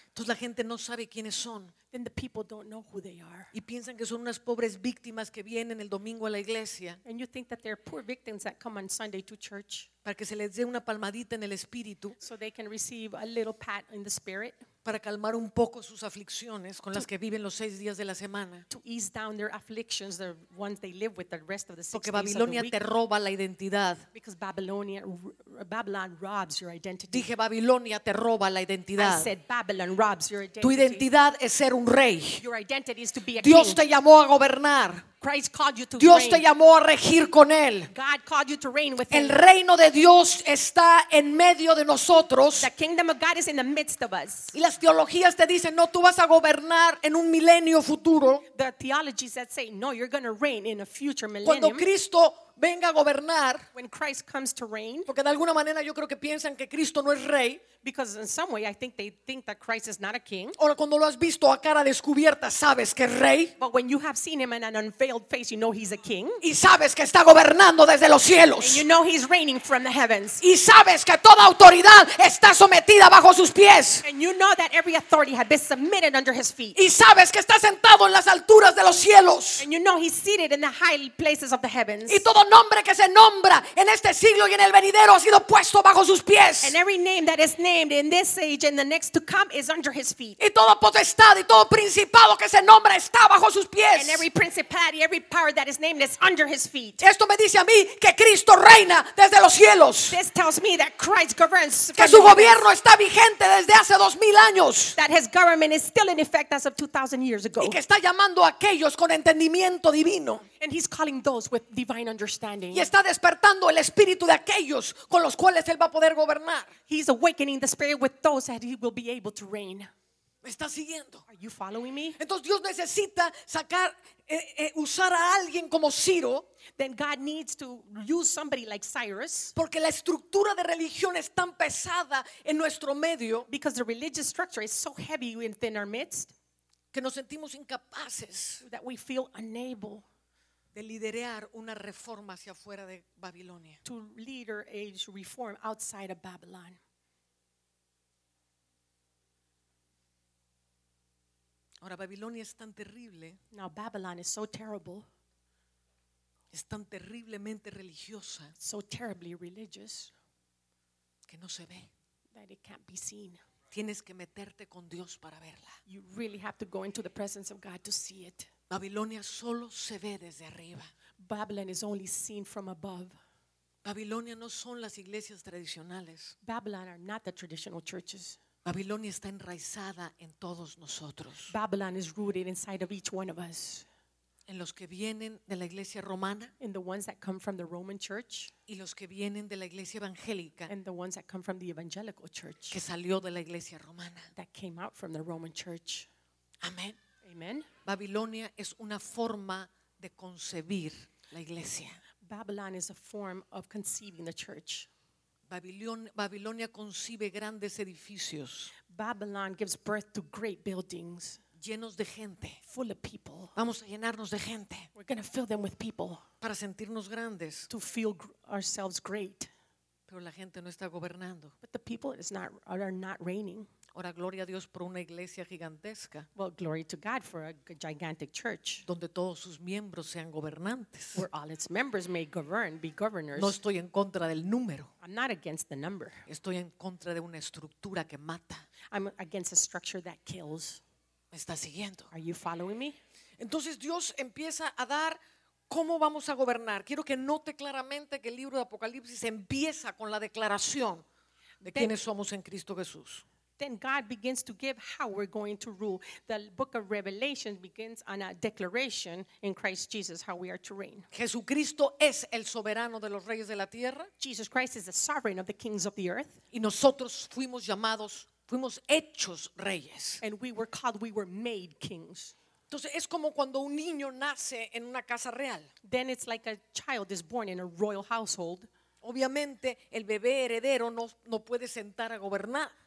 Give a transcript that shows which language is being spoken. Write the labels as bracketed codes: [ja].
[es] Entonces la gente no sabe quiénes son. [en] Then the people don't know who they are. [es] Y piensan que son unas pobres víctimas que vienen el domingo a la iglesia. [en] And you think that they're poor victims that come on Sunday to church. [es] Para que se les dé una palmadita en el espíritu. [en] So they can receive a little pat in the spirit. [es] Para calmar un poco sus aflicciones con las que viven los seis días de la semana. [en] To ease down their afflictions, the ones they live with the rest of the six days. [es] Porque Babilonia te roba la identidad. [en] Because Babylon robs your identity. [es] Dije Babilonia te roba la identidad. [en] I said Babylon robs your identity. [es] Tu identidad es ser un rey. [en] Your identity is to be a king. [es] Dios te llamó a gobernar. [en] Christ called you to [es] Dios [en] reign. [es] Te llamó a regir con Él. [en] God called you to reign with [es] el [en] him. [es] Reino de Dios está en medio de nosotros. [en] The kingdom of God is in the midst of us. [es] Y las teologías te dicen, no, tú vas a gobernar en un milenio futuro. [en] The theologies that say, no, you're going to reign in a future millennium. [es] Cuando Cristo venga a gobernar. [en] When Christ comes to reign. [es] Porque de alguna manera yo creo que piensan que Cristo no es rey. [en] Because in some way I think they think that Christ is not a king. [es] Ahora cuando lo has visto a cara descubierta sabes que es rey. [en] But when you have seen him in an unveiled face you know he's a king. [es] Y sabes que está gobernando desde los cielos. [en] And you know he's reigning from the heavens. [es] Y sabes que toda autoridad está sometida bajo sus pies. [en] And you know that every authority has been submitted under his feet. [es] Y sabes que está sentado en las alturas de los cielos. [en] And you know he's seated in the high places of the heavens. [es] Y todo nombre que se nombra en este siglo y en el venidero ha sido puesto bajo sus pies. [en] And every name that is named in this age and the next to come is under his feet. [es] Y toda potestad y todo principado que se nombra está bajo sus pies. [en] And every principality, every power that is named is under his feet. [es] Esto me dice a mí que Cristo reina desde los cielos. [en] This tells me that Christ governs. [es] Que su gobierno está vigente desde hace 2000 años. [en] That his government is still in effect as of 2000 years ago. [es] Y que está llamando a aquellos con entendimiento divino. [en] And he's calling those with divine understanding. [es] Y está despertando el espíritu de aquellos con los cuales él va a poder gobernar. [en] He's awakening the spirit with those that he will be able to reign. [es] ¿Me está siguiendo? [en] Are you following me? [es] Entonces Dios necesita sacar usar a alguien como Ciro. [en] Then God needs to use somebody like Cyrus. [es] Porque la estructura de religión es tan pesada en nuestro medio. [en] Because the religious structure is so heavy within our midst. [es] Que nos sentimos incapaces. [en] That we feel unable. [es] De liderar una reforma hacia afuera de Babilonia. [en] To leader a reform outside of Babylon. [es] Ahora Babilonia es tan terrible. [en] Now Babylon is so terrible. [es] Es tan terriblemente religiosa. [en] So terribly religious. [es] Que no se ve. [en] That it can't be seen. [es] Tienes que meterte con Dios para verla. [en] You really have to go into the presence of God to see it. [es] Babilonia solo se ve desde arriba. [en] Babylon is only seen from above. [es] Babilonia no son las iglesias tradicionales. [en] Babylon are not the traditional churches. [es] Babilonia está enraizada en todos nosotros. [en] Babylon is rooted inside of each one of us. [es] En los que vienen de la iglesia romana. [en] In the ones that come from the Roman church. [es] Y los que vienen de la iglesia evangélica. [en] And the ones that come from the evangelical church. [es] Que salió de la iglesia romana. [en] That came out from the Roman church. [es] Amén. [en] Amen. [es] Babilonia es una forma de concebir la iglesia. [en] Babylon is a form of conceiving the church. [es] Babilonia concibe grandes edificios. [en] Babylon gives birth to great buildings. [es] Llenos de gente. [en] Full of people. [es] Vamos a llenarnos de gente. [en] We're going to fill them with people. [es] Para sentirnos grandes. [en] To feel ourselves great. [es] Pero la gente no está gobernando. [en] But the people are not reigning. [es] Ahora gloria a Dios por una iglesia gigantesca. [en] Well, glory to God for a gigantic church. [es] Donde todos sus miembros sean gobernantes. [en] Where all its members may govern, be governors. [es] No estoy en contra del número. [en] I'm not against the number. [es] Estoy en contra de una estructura que mata. [en] I'm against a structure that kills. [es] ¿Me está siguiendo? [en] Are you following me? [es] Entonces Dios empieza a dar cómo vamos a gobernar. Quiero que note claramente que el libro de Apocalipsis empieza con la declaración de quiénes somos en Cristo Jesús. [en] Then God begins to give how we're going to rule. The book of Revelation begins on a declaration in Christ Jesus how we are to reign. [es] Jesucristo es el soberano de los reyes de la tierra. [en] Jesus Christ is the sovereign of the kings of the earth. [es] Y nosotros fuimos llamados, fuimos hechos reyes. [en] And we were called, we were made kings. [es] Entonces es como cuando un niño nace en una casa real. [en] Then it's like a child is born in a royal household. [es] Obviamente el bebé heredero no puede sentar a gobernar.